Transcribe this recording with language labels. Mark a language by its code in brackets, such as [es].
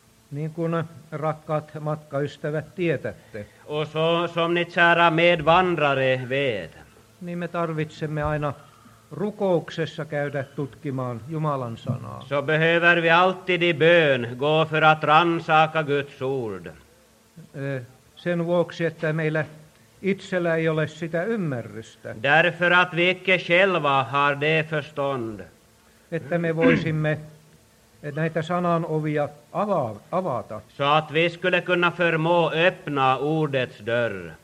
[fi] Niin kuin rakkaat matkaystävät tietätte. [sv] Och så som ni kära medvandrare vet. [fi] Niin me tarvitsemme aina rukouksessa käydä tutkimaan Jumalan sanaa. [sv] Så behöver vi alltid i bön gå för att ransaka Guds ord. [fi] Sen vuoksi, että meillä itsellä ei ole sitä ymmärrystä. [sv] Därför att vi icke själva har det förstånd. [fi] Että me voisimme näitä sanan ovia avata. [sv] Så att vi skulle kunna förmå öppna ordets dörr.